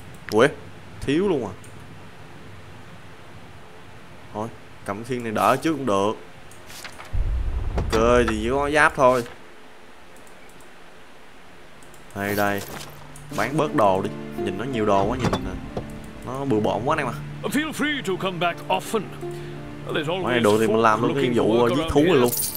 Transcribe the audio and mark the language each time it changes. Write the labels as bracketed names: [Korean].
[Vietnamese] Ủa, thiếu luôn à. Thôi, cầm cái khiên này đỡ chứ cũng được. Ok, thì chỉ có giáp thôi. Đây, đây. Bán bớt đồ đi. Nhìn nó nhiều đồ quá, nhìn nè. Nó bừa bộn quá này mà. [English] Feel free to come back often. [Vietnamese] Mấy này đồ thì mình làm luôn cái vụ giết thú rồi luôn.